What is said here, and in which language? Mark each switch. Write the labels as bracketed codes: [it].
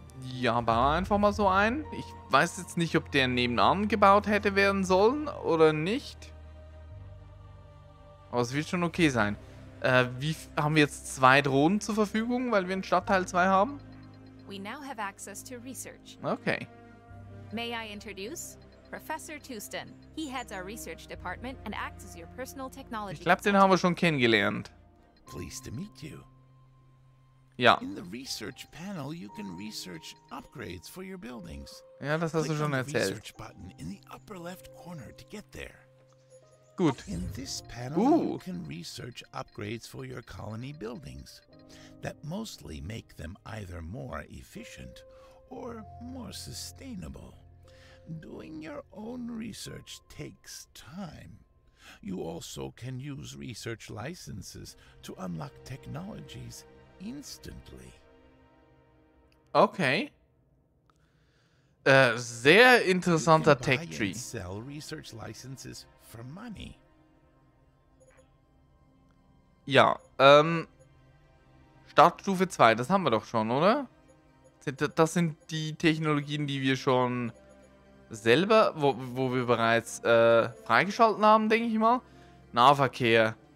[de] Ja, bau einfach mal so ein. Ich weiß jetzt nicht, ob der nebenan gebaut hätte werden sollen oder nicht. Aber es wird schon okay sein. Haben wir jetzt 2 Drohnen zur Verfügung, weil wir einen Stadtteil 2 haben? [en] We now have access to research. Okay. May I introduce Professor Tustin. He heads our research department and acts as your personal technology. [de] Ich glaube, den haben wir schon kennengelernt. [en] Pleased to meet you. [de] Ja. [en] In the research panel, you can research upgrades for your buildings. [de] Ja, das hast du schon erzählt. [en] Click on the research button in the upper left corner to get there. [de] Gut. [en] In this panel, you can research upgrades for your colony buildings that mostly make them either more efficient or more sustainable. Doing your own research takes time. You also can use research licenses to unlock technologies instantly. Okay. [de] Sehr interessanter tech tree. [en] You can buy and sell research licenses for money. [de] Ja, Startstufe 2, das haben wir doch schon, oder? Das sind die Technologien, die wir schon selber, wo wir bereits freigeschalten haben, denke ich mal. Nahverkehr.